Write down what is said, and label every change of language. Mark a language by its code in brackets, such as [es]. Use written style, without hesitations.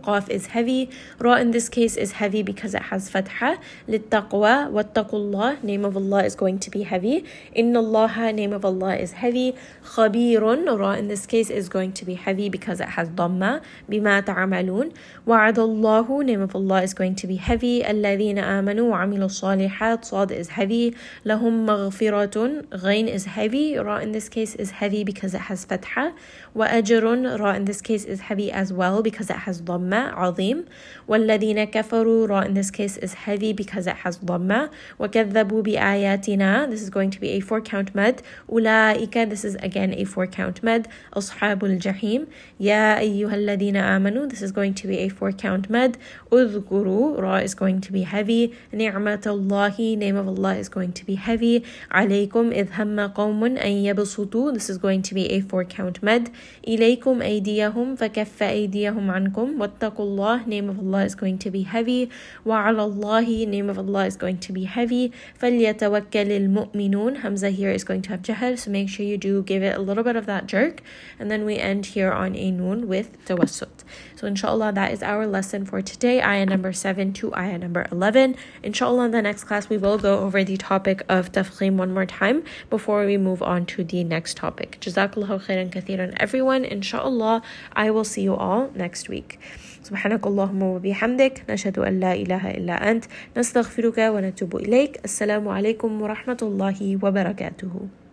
[en] قاف is heavy. راء in this case is heavy because it has فتحة. [ar] للتقوى واتقوا الله. [en] Name of Allah is going to be heavy. [ar] إن الله. [en] Name of Allah is heavy. خبير. راء in this case is going to be heavy because it has ضمة. [ar] بما تعملون. وعد الله. [en] Name of Allah is going to be heavy. [ar] الذين آمنوا وعملوا الصالحات. [en] صاد is heavy. [ar] لهم مغفرة. [en] غين is heavy. راء in this case is heavy because it has فتحة. [ar] وأجر. [en] راء in this case is heavy as well because it has ضمة. [ar] عظيم. والذين كفروا. [en] راء in this case is heavy because it has ضمة. [ar] وكذبوا بآياتنا. [en] This is going to be a four count mad. [ar] أولئك. [en] This is again a four count mad. [ar] أصحاب الجحيم. يا أيها الذين آمنوا. [en] This is going to be a four count mad. [ar] أذكروا. [en] راء is going to be heavy. [ar] نعمة الله. [en] Name of Allah is going to be heavy. [ar] عليكم. إذ هم قوم أن يبسطوا. [en] This is going to be a four count mad. [ar] إليكم أيديهم فكف أيديهم عنكم. واتقوا الله. [en] Name of Allah is going to be heavy. [ar] وعلى الله. [en] Name of Allah is going to be heavy. [ar] فليتوكل المؤمنون. [en] Hamza here is going to have jahar, so make sure you do give it a little bit of that jerk. And then we end here on a noon with tawassut. So inshallah, that is our lesson for today, ayah number 7 to ayah number 11. Inshallah, in the next class we will go over the topic of tafkhim one more time before we move on to the next topic. Jazakallahu khairan kathiran everyone. Inshallah, I will see you all next week. [ar] سبحانك اللهم وبحمدك نشهد أن لا إله إلا أنت نستغفرك ونتوب إليك. السلام عليكم ورحمة الله وبركاته.